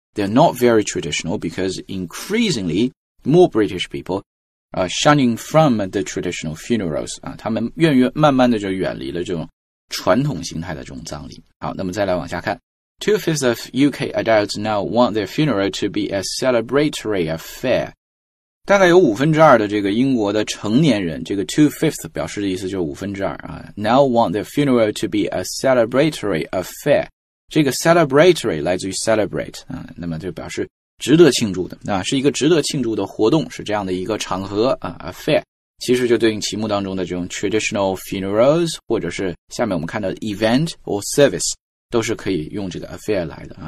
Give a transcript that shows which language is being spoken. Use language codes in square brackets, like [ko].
[en] They're not very traditional because increasingly more British people are shunning from the traditional funerals. [zh] 他们慢慢的就远离了这种传统形态的这种葬礼。好，那么再来往下看。 [en] 2/5 of UK adults now want their funeral to be a celebratory affair. [zh] 大概有1/5的这个英国的成年人，这个 2/5 表示的意思就是1/5啊。 [en] Now want their funeral to be a celebratory affair. [zh] 这个 celebratory 来自于 celebrate, 那么就表示值得庆祝的。那是一个值得庆祝的活动，是这样的一个场合啊 ,affair. 其实就对应题目当中的这种 traditional funerals, 或者是下面我们看到的 event or service, 都是可以用这个 affair 来的。